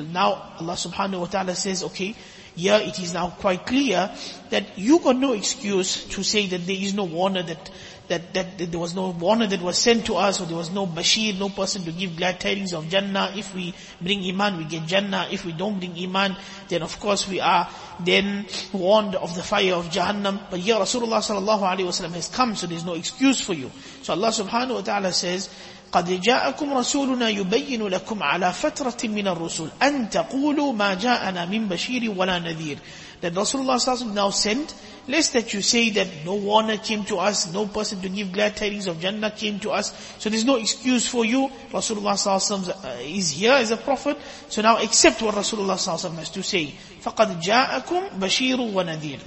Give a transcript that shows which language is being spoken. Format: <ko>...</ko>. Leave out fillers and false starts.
<en>Now Allah subhanahu wa ta'ala says, okay, yeah, it is now quite clear that you got no excuse to say that there is no warner, that there was no warner that was sent to us, or there was no bashir, no person to give glad tidings of Jannah. If we bring iman, we get Jannah. If we don't bring iman, then of course we are then warned of the fire of Jahannam. But here Rasulullah sallallahu alayhi wa sallam has come, so there's no excuse for you. So Allah subhanahu wa ta'ala says,</en> <ar>قَدْ جَاءَكُمْ رَسُولُنَا يُبَيِّنُ لَكُمْ عَلَى فَتْرَةٍ مِّنَ الرُّسُولِ أَن تَقُولُوا مَا جَاءَنَا مِن بَشِيرٍ وَلَا نَذِيرٍ.</ar> <en>That Rasulullah sallallahu alayhi wa sallam now sent, lest that you say that no warner came to us, no person to give glad tidings of Jannah came to us, so there's no excuse for you. Rasulullah sallallahu alayhi wa sallam is here as a prophet, so now accept what Rasulullah sallallahu alayhi wa sallam has to say.</en> <ar>فَقَدْ جَاءَكُمْ بَشِيرٌ وَنَذِيرٌ.</ar>